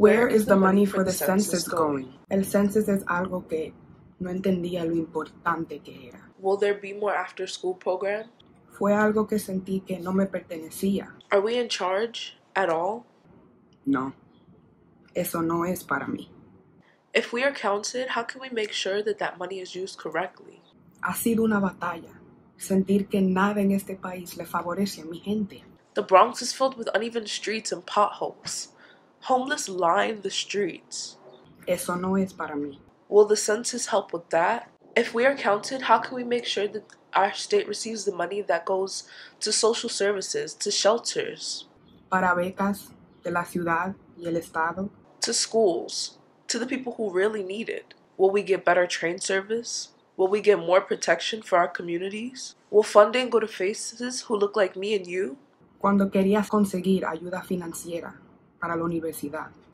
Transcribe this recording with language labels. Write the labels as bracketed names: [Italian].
[English] Where is the money for the census going? [Spanish] El census es algo que no entendía lo importante que era. [English] Will there be more after school programs? [Spanish] Fue algo que sentí que no me pertenecía. [English] Are we in charge at all? [Spanish] No. Eso no es para mí. [English] If we are counted, how can we make sure that that money is used correctly? [Spanish] Ha sido una batalla. Sentir que nada en este país le favorece a mi gente. [English] The Bronx is filled with uneven streets and potholes. Homeless line the streets. [Spanish] Eso no es para mí. [English] Will the census help with that? If we are counted, how can we make sure that our state receives the money that goes to social services, to shelters? [Spanish] Para becas de la ciudad y el estado. [English] To schools. To the people who really need it. Will we get better train service? Will we get more protection for our communities? Will funding go to faces who look like me and you? [Spanish] Cuando querías conseguir ayuda financiera para la universidad.